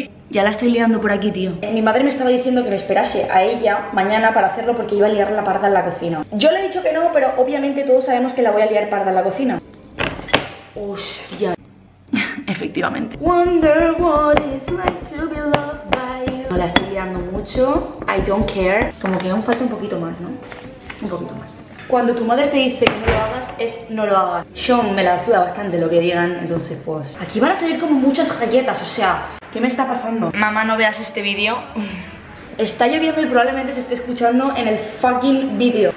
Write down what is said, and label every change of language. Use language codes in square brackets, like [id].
[es] Ya la estoy liando por aquí, tío. Mi madre me estaba diciendo que me esperase a ella mañana para hacerlo porque iba a liar la parda en la cocina. Yo le he dicho que no, pero obviamente todos sabemos que la voy a liar parda en la cocina. Hostia. Efectivamente. [en] Wonder what it's like to be loved by you. [es] No la estoy liando mucho. I don't care. Como que aún falta un poquito más, ¿no? Un poquito más. Cuando tu madre te dice que no lo hagas, es no lo hagas. Yo me la suda bastante lo que digan, entonces pues... Aquí van a salir como muchas galletas, o sea, ¿qué me está pasando? Mamá, no veas este vídeo. Está lloviendo y probablemente se esté escuchando en el fucking vídeo.